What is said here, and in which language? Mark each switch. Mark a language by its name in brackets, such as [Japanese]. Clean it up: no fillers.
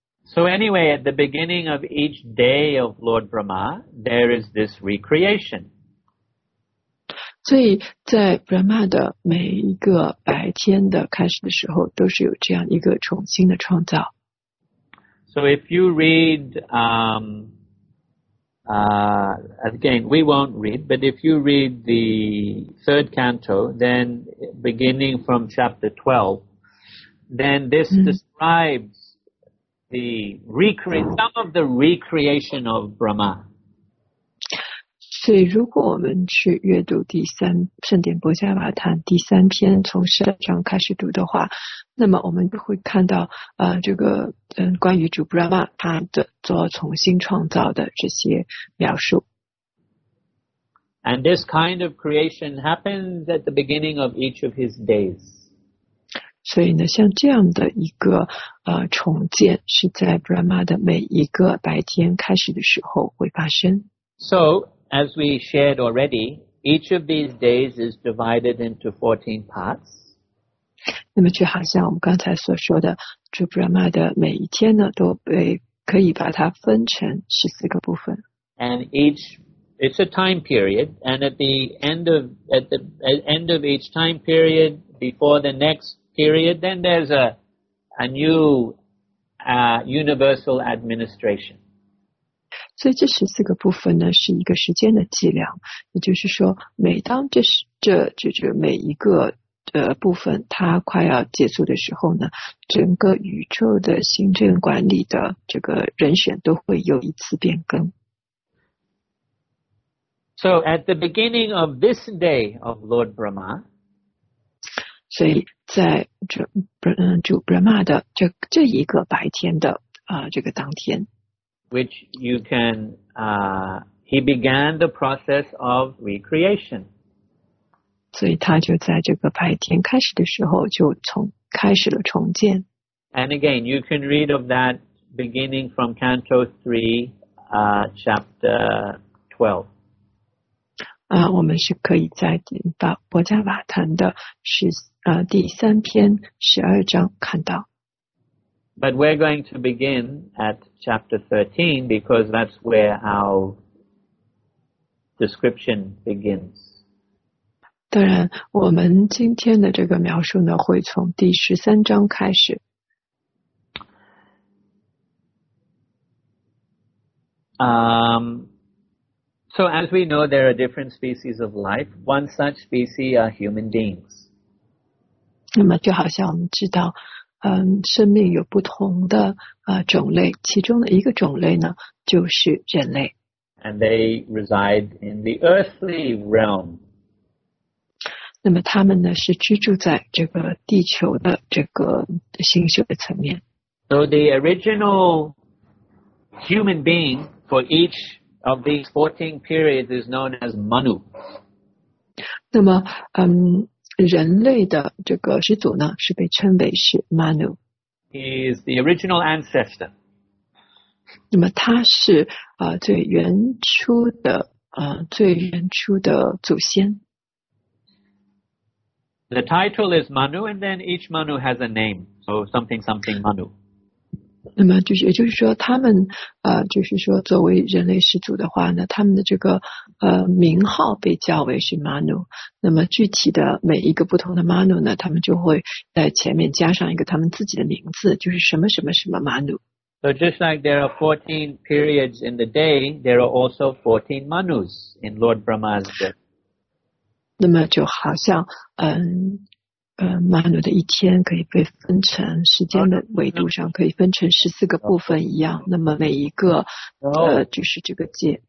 [English] So anyway, at the beginning of each day of Lord Brahma, there is this recreation. [Chinese] 所以在 Brahma 的每一个白天的开始的时候，都是有这样一个重新的创造。 [English] So if you read, again, we won't read, but if you read the third canto, then beginning from chapter 12, then this describes the some of the recreation of Brahma. [Chinese] 所以如果我们去阅读第三圣典伯加瓦坦第三篇从十二章开始读的话，那么我们会看到这个关于主 Brahma 他的做重新创造的这些描述。 [English] And this kind of creation happens at the beginning of each of his days. [Chinese] 所以呢，像这样的一个重建是在 Brahma 的每一个白天开始的时候会发生。 [English] So, as we shared already, each of these days is divided into 14 parts. [Chinese] 那么就好像我们刚才所说的，主 Brahma 的每一天呢，都被可以把它分成14个部分。 [English] And each It's a time period, and at the end of each time period, before the next period, then there's a new universal administration. [Chinese] 所以这十四个部分呢，是一个时间的计量，也就是说，每当这每一个部分它快要结束的时候呢，整个宇宙的行政管理的这个人选都会有一次变更。 [English] So at the beginning of this day of Lord Brahma, [Chinese] 所以在主 Brahma 的这一个白天的这个当天 [English] ，which you can he began the process of recreation. [Chinese] 所以他就在这个白天开始的时候就开始了重建。 [English] And again, you can read of that beginning from Canto 3, Chapter 12. [Chinese] 我们是可以在伯加瓦坦的第三篇十二章看到。 [English] But we're going to begin at chapter 13 because that's where our description begins. [Chinese] 当然，我们今天的这个描述呢，会从第十三章开始。 [English] So as we know, there are different species of life. One such species are human beings. [Chinese] 那么就好像我们知道，生命有不同的种类，其中的一个种类呢，就是人类。 [English] And they reside in the earthly realm. [Chinese] 那么他们呢，是居住在这个地球的这个星宿的层面。 [English] So the original human being for each of these 14 periods is known as Manu. [Chinese] 那么人类的这个始祖呢是被称为是 Manu. [English] He is the original ancestor. [Chinese] 那么他是最原初的祖先。 [English] The title is Manu, and then each Manu has a name, so something something Manu. [Chinese] 那么就是，也就是说，他们就是说，作为人类始祖的话呢，他们的这个名号被叫为是 Manu。那么具体的每一个不同的 Manu 呢，他们就会在前面加上一个他们自己的名字，就是什么什么什么 Manu。 [English] So just like there are 14 periods in the day, there are also 14 Manus in Lord Brahma's day. [Chinese] 那么就好像Manu 的一天可以被分成时间的维度上可以分成14个部分一样，那么每一个就是这个界。